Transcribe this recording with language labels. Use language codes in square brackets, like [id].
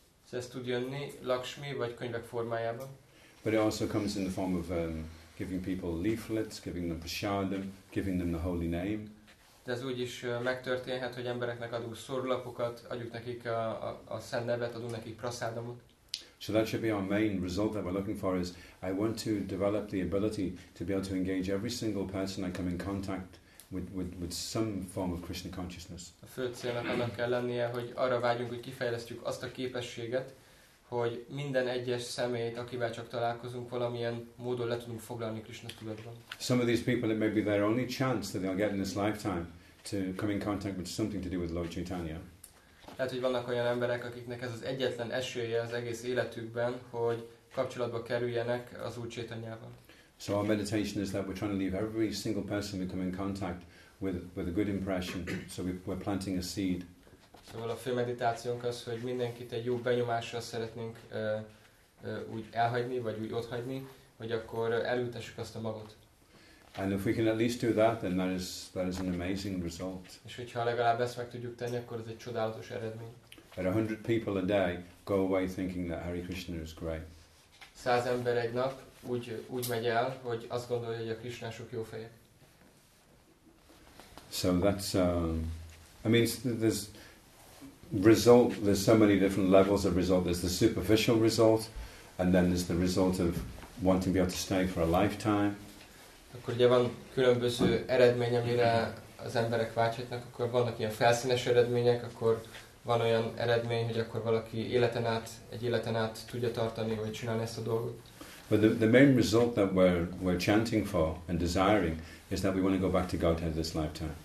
[hu] So ez tud jönni Lakshmi vagy könyvek formájában. [en] But it also comes in the form of giving people leaflets, giving them prasadam, giving them the holy name. [hu] De ez úgy is megtörténhet, hogy embereknek adunk szórólapokat, adjuk nekik a szent nevet, adunk nekik prasadamot. [en] So that should be our main result that we're looking for is I want to develop the ability to be able to engage every single person I come in contact with some form of Krishna consciousness. [hu] A fő célnak annak kell lennie, hogy arra vágyunk, hogy kifejlesztjük azt a képességet, hogy minden egyes személyt, akivel csak találkozunk, valamilyen módon le tudunk foglalni Krishna tudatban. [en] Some of these people, it may be their only chance that they'll get in this lifetime to come in contact with something to do with Lord Chaitanya. [hu] Lehet, hogy vannak olyan emberek, akiknek ez az egyetlen esélye az egész életükben, hogy kapcsolatba kerüljenek az Úr Chaitanyával. [en] So our meditation is that we're trying to leave every single person we come in contact with a good impression. So we're planting a seed. [hu] So a fő meditációnk az, hogy mindenkit egy jó benyomással szeretnénk úgy elhagyni, vagy úgy otthagyni, hogy akkor elültessük azt a magot. [en] And if we can at least do that, then that is an amazing result. [hu] És hogyha legalább ezt meg tudjuk tenni, akkor ez egy csodálatos eredmény. [en] But 100 people a day go away thinking that Hare Krishna is great. [hu] 100 ember egy nap úgy megy el, hogy azt gondolja, hogy a Krisnások jó fejek. [en] So that's I mean there's result, there's so many different levels of result. There's the superficial result and then there's the result of wanting to be able to stay for a lifetime. [hu] Akkor ugye van különböző eredmény, amire az emberek vágyhatnak, akkor vannak ilyen felszínes eredmények, akkor van olyan eredmény, hogy akkor valaki egy életen át tudja tartani, vagy csinálni ezt a dolgot. [en] But the main result that we're chanting for and desiring is that we want to go back to Godhead this lifetime.